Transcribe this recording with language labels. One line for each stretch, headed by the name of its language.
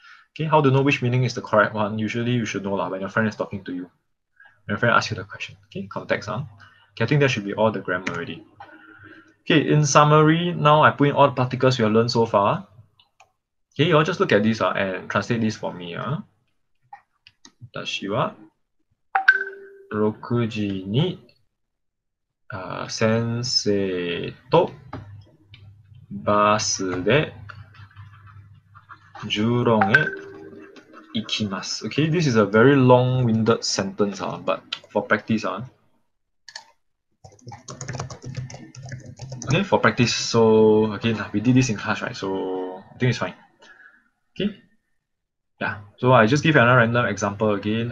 English: Okay, how to know which meaning is the correct one? Usually, you should know lah when your friend is talking to you, when your friend asks you the question. Okay, context. Okay, I think that should be all the grammar already. Okay, in summary, now I put in all the particles we have learned so far. Okay, you all just look at this and translate this for me.
Japanese: 私は6時に先生とバスでジュロンへ行きます.
English: Okay, this is a very long-winded sentence, but for practice. Okay, for practice, so again, we did this in class, right? So I think it's fine. Okay, yeah, so I just give another random example again.